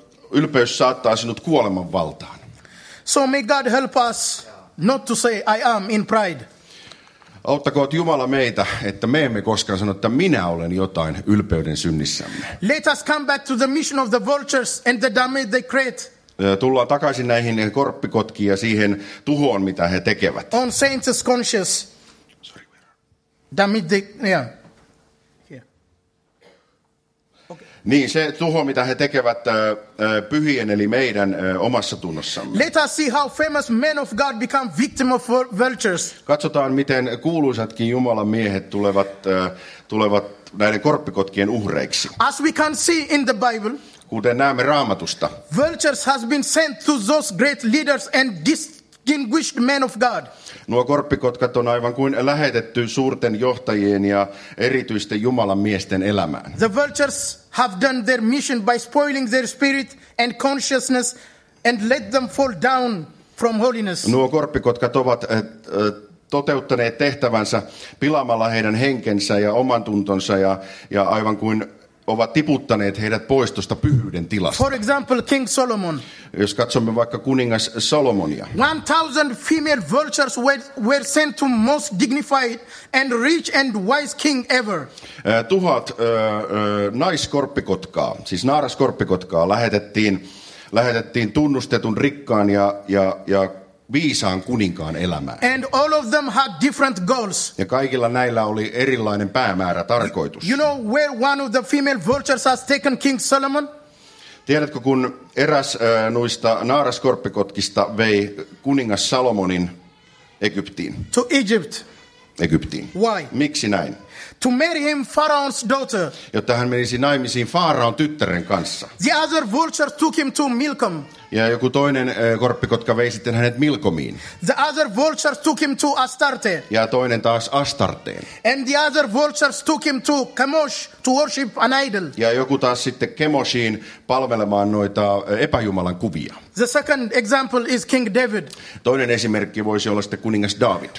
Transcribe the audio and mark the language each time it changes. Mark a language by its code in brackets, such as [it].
[fi] Ylpeys saattaa sinut kuoleman valtaan. [en] So may God help us not to say I am in pride. [fi] Auttakoot Jumala meitä, että me emme koskaan sano, että minä olen jotain ylpeyden synnissämme. [en] Let us come back to the mission of the vultures and the damage they create. [fi] Tullaan takaisin näihin korppikotkiin ja siihen tuhoon, mitä he tekevät. [en] On saints conscious. Sorry. Damage they, yeah. [fi] Niin, se tuho, mitä he tekevät pyhien, eli meidän omassa tunnossamme. [en] Let us see how famous men of God become victims of vultures. [fi] Katsotaan, miten kuuluisatkin Jumalan miehet tulevat näiden korppikotkien uhreiksi. [en] As we can see in the Bible, [fi] kuten näemme Raamatusta, [en] vultures has been sent to those great leaders and distinguished men of God. [fi] Nuo korppikotkat on aivan kuin lähetetty suurten johtajien ja erityisten Jumalan miesten elämään. [en] The vultures have done their mission by spoiling their spirit and consciousness and let them fall down from holiness. [fi] Nuo korppikotkat ovat toteuttaneet tehtävänsä pilaamalla heidän henkensä ja oman tuntonsa ja aivan kuin ovat tiputtaneet heidät pois tuosta pyhyyden tilasta. [en] For example, King Solomon. [fi] Jos katsomme vaikka kuningas Salomonia. [en] 1,000 female vultures were sent to most dignified and rich and wise king ever. [fi] 1,000 naiskorppikotkaa, siis naaraskorppikotkaa, lähetettiin tunnustetun rikkaan ja viisaan kuninkaan elämään. [en] And all of them had different goals. [fi] Ja kaikilla näillä oli erilainen päämäärä, tarkoitus. [en] You know where one of the female vultures has taken King Solomon? [fi] Tiedätkö, kun eräs noista naaraskorppikotkista vei kuningas Salomonin Egyptiin? [en] To Egypt. [fi] Egyptiin. [en] Why? [fi] Miksi näin? [en] To marry him Pharaoh's daughter. [fi] Jotta hän menisi naimisiin Faaraon tyttären kanssa. [en] The other vulture took him to Milcom. [fi] Ja joku toinen korppikotka vei sitten hänet Milcomiin. [en] The other vulture took him to Astarte. [fi] Ja toinen taas Astarteen. [en] And the other vulture took him to Chemosh to worship an idol. [fi] Ja joku taas sitten Chemoshiin palvelemaan noita epäjumalan kuvia. [en] The second example is King David. [fi] Toinen esimerkki voisi olla sitten kuningas David.